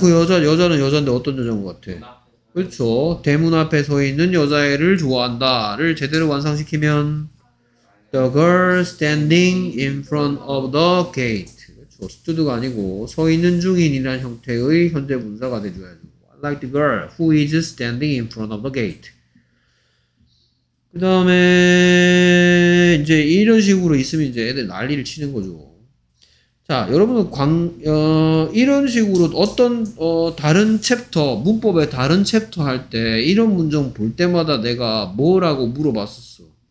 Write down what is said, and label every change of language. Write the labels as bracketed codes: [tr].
[ko] 그 여자는 여자인데 어떤 여자인 것 같아? 그렇죠. 대문 앞에 서 있는 여자애를 좋아한다를 제대로 완성시키면 [en] The girl standing in front of the gate. [ko] 그렇죠. stood가 아니고 서 있는 중인이라는 형태의 현재 분사가 돼줘야죠. [en] I like the girl who is standing in front of the gate. [ko] 그 다음에 이제 이런 식으로 있으면 이제 애들 난리를 치는 거죠. 자, 여러분은 이런 식으로 어떤 다른 챕터 문법의 다른 챕터 할 때 이런 문장 볼 때마다 내가 뭐라고 물어봤었어?